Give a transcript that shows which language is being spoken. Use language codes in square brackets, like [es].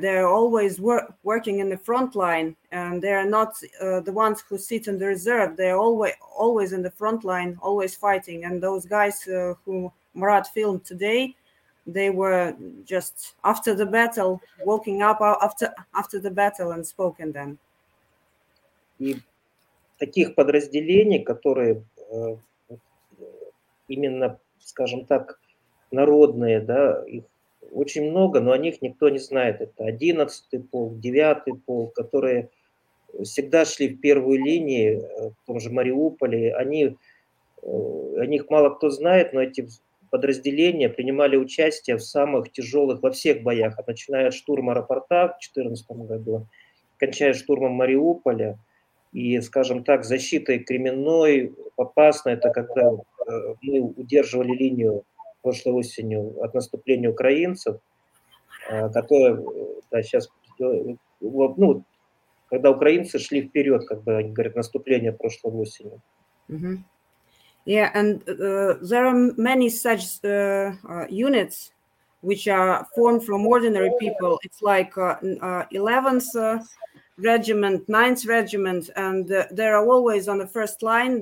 [en] They are always working in the front line, and they are not the ones who sit in the reserve. They are always in the front line, always fighting. And those guys who Murat filmed today, they were just after the battle, waking up after the battle and spoken then. [ru] И таких подразделений, которые именно, скажем так, народные, да, их очень много, но о них никто не знает. Это 11-й полк, 9-й полк, которые всегда шли в первую линию, в том же Мариуполе. О них мало кто знает, но эти подразделения принимали участие в самых тяжелых, во всех боях, начиная от штурма аэропорта в 2014 году, кончая штурмом Мариуполя. И, скажем так, защитой Кременной, Попасной, это когда мы удерживали линию прошлой осенью от наступления украинцев, которые, да, сейчас, ну, когда украинцы шли вперед, как бы они говорят, наступление прошлой осенью. Mm-hmm. [en] Yeah, and there are many such units, which are formed from ordinary people. It's like 11th regiment, 9th regiment, and they are always on the first line.